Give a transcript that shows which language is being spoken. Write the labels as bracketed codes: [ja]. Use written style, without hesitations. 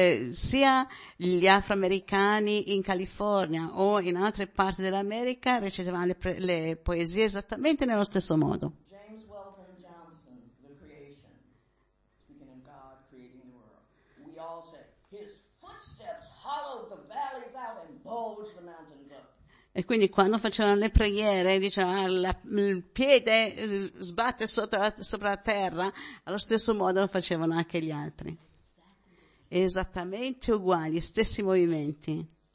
[it] sia gli afroamericani in California o in altre parti dell'America recitavano le poesie esattamente nello stesso modo. [en] James Weldon Johnson's The Creation, speaking of God creating the world, we all said, his footsteps hollowed the valleys out and bulged the mountains. [it] E quindi quando facevano le preghiere diceva il piede sbatte sopra la terra, allo stesso modo lo facevano anche gli altri, esattamente uguali, stessi movimenti.